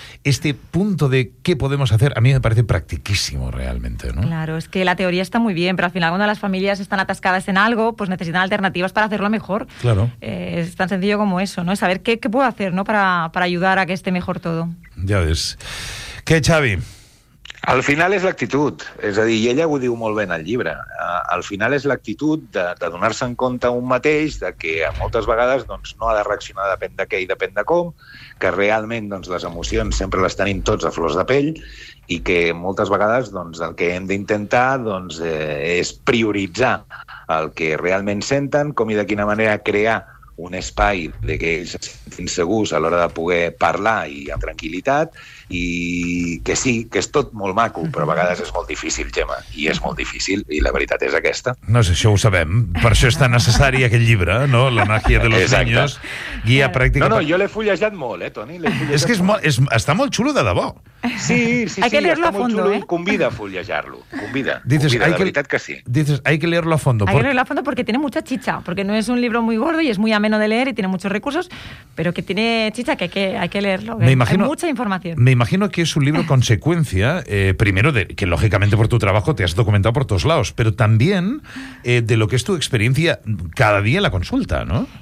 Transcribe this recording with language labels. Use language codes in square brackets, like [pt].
[es] Este punto de qué podemos hacer a mí me parece practiquísimo realmente, ¿no? Claro, es que la teoría está muy bien, pero al final cuando las familias están atascadas en algo, pues necesitan alternativas para hacerlo mejor. Claro. Es tan sencillo como eso, ¿no? Saber qué puedo hacer, ¿no? Para ayudar a que esté mejor todo. Ya ves. ¿Qué, Xavi? [ca] Al final és l'actitud, és a dir, i ella ho diu molt bé en el llibre, al final és l'actitud de donar-se en compte un mateix, de que moltes vegades doncs, no ha de reaccionar depèn de què i depèn de com, que realment doncs, les emocions sempre les tenim tots a flors de pell i que moltes vegades doncs, el que hem d'intentar doncs, és prioritzar el que realment senten, com i de quina manera crear un espai de que ells es sentin segurs a l'hora de poder parlar i amb tranquil·litat, i que sí, que és tot molt maco, però a vegades és molt difícil, Gemma, i és molt difícil, i la veritat és aquesta. No sé, això ho sabem, per això és tan necessari aquest llibre, no? La màgia de los niños, guia pràctica... No, jo l'he fullejat molt, Toni. És que està molt xulo, de debò. [es] Sí, está muy chulo, [ca] convida a fullejarlo, convida, [es] la verdad que sí. Dices, hay que leerlo a fondo. Hay que leerlo a fondo porque tiene mucha chicha, porque no es un libro muy gordo y es muy ameno de leer y tiene muchos recursos, pero que tiene chicha que hay que leerlo, imagino, hay mucha información. Me imagino que es un libro consecuencia, primero, de que lógicamente por tu trabajo te has documentado por todos lados, pero también de lo que es tu experiencia cada día en la consulta, ¿no?